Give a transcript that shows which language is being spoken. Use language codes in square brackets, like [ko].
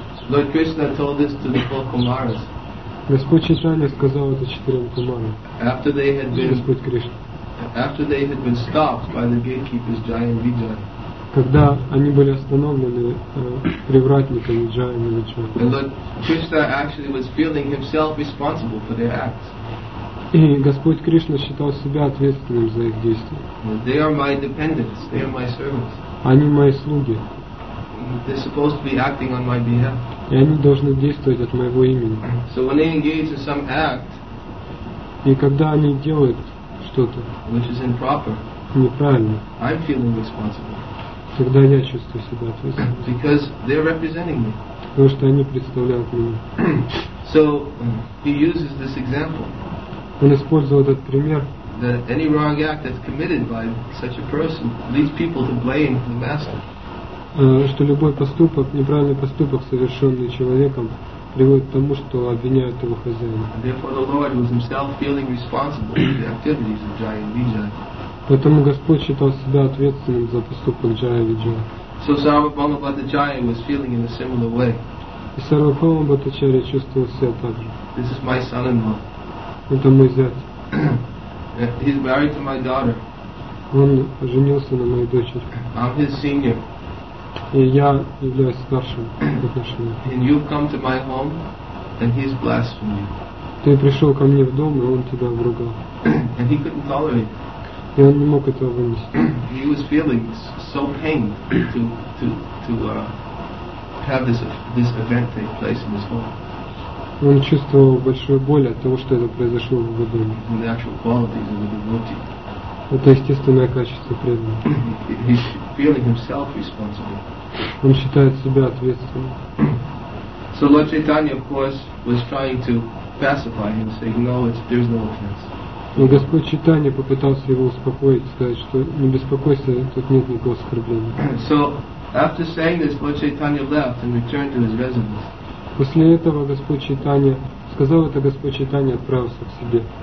[en] Lord Krishna told this to the four kumaras. [ru] Господь Чайтанья сказал это четырем кумарам. [en] After they had been, [ru] Господь Кришна. [en] After they had been stopped by the gatekeepers Jaya and Vijaya. [ru] Когда они были остановлены привратниками Jaya and Vijaya. [en] And Lord Krishna actually was feeling himself responsible for their acts. [ru] И Господь Кришна считал себя ответственным за их действия. [en] They are my dependents. They are my servants. [ru] Они мои слуги. [en] They're supposed to be acting on my behalf. [ru] И они должны действовать от моего имени. [en] So when they engage in some act, [ru] и когда они делают что-то, [en] which is improper, [ru] неправильно, [en] I'm feeling responsible. [ru] Тогда я чувствую себя ответственным. [en] Because they're representing me. [ru] Потому что они представляют меня. [en] So he uses this example. [ru] Он использовал этот пример. [en] That any wrong act that's committed by such a person leads people to blame the master. [ru] Что любой поступок, неправильный поступок, совершенный человеком, приводит к тому, что обвиняют его хозяина. [en] Therefore, the Lord was himself feeling responsible for the activities of Jaya and Vijaya. [ru] Поэтому Господь считал себя ответственным за поступок Jaya and Vijaya. [en] So Sarvabhauma Bhattacharya was feeling in a similar way. This is my son-in-law. [ru] Это мой зять. [en] He's married to my daughter. [ru] Он женился на моей дочери. [en] I'm his senior. [ru] И я являюсь старшим в отношениях. [en] And you've come to my home, and he's blaspheming. [ru] Ты пришел ко мне в дом, и он тебя обругал. [en] And he couldn't tolerate. [ru] И он не мог этого вынести. [en] He was feeling so pain to have this event take place in his home. [ru] Он чувствовал большую боль от того, что это произошло в его доме. Это естественное качество преданного. Он считает себя ответственным. [en] So Lord Chaitanya, of course, was trying to pacify him, saying, "No, there's no offense." [ru] Но Господь Чайтанья попытался его успокоить, сказать, что не беспокойся, тут нет никакого оскорбления. [en] So after saying this, Lord Chaitanya left and returned to his residence. [ru] После этого Господь Чайтанья сказал это, Господь Чайтанья отправился к себе.